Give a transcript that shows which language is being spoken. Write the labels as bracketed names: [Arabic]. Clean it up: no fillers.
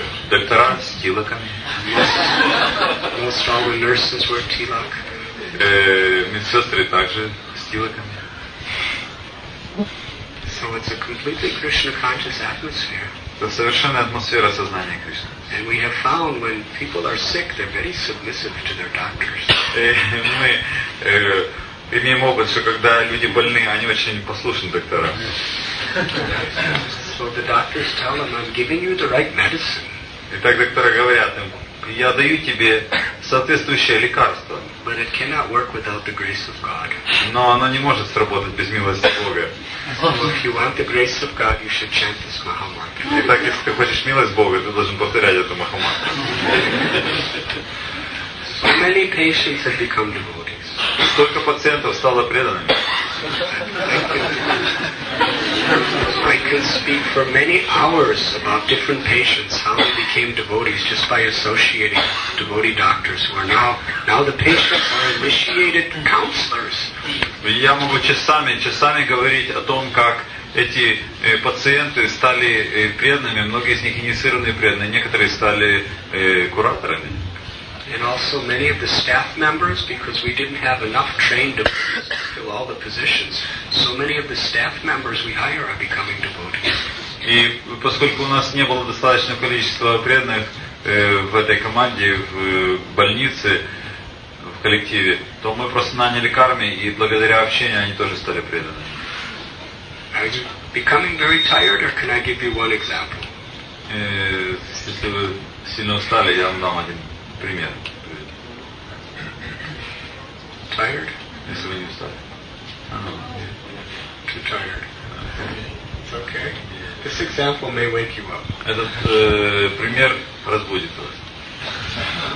[Russian] Доктора с тилаками. [English] Most all the nurses were Tilak. [Russian] Медсестры также с тилаками. [English] So it's a completely Krishna conscious atmosphere. [Russian] Это совершенно атмосфера сознания Кришны. [English] And we have found when people are sick, they're very submissive to their doctors. [Russian] Мы имеем опыт, что когда люди больны, они очень послушны докторам. [English] So the doctors tell them, I'm giving you the right medicine. [Russian] Итак, доктора говорят им, я даю тебе соответствующее лекарство. [English] But it cannot work without the grace of God. [Russian] Но оно не может сработать без милости Бога. [English] So if you want the grace of God, you should chant this Mahamantra. [Russian] Итак, если ты хочешь милость Бога, ты должен повторять эту Махамантру. [English] So many patients have become devotees. [Russian] Столько пациентов стало преданными. [English] I could speak for many hours about different patients, how they became devotees just by associating devotee doctors who are now the patients are initiated counselors. [Russian] Я могу часами говорить о том, как эти пациенты стали преданными, многие из них инициированные преданные, некоторые стали кураторами. [English] And also many of the staff members, because we didn't have enough trained devotees to fill all the positions, so many of the staff members we hire are becoming devotees. [Russian] И поскольку у нас не было достаточного количества преданных в этой команде, в больнице, в коллективе, то мы просто наняли карми, и благодаря общению они тоже стали преданными. [English] Are you becoming very tired, or can I give you one example? [Russian] Если вы сильно устали, я вам дам один. Пример. [English] Tired? [Russian] Если вы не устали. [English] Too tired. It's okay. This example may wake you up. [Russian] Этот пример разбудит вас.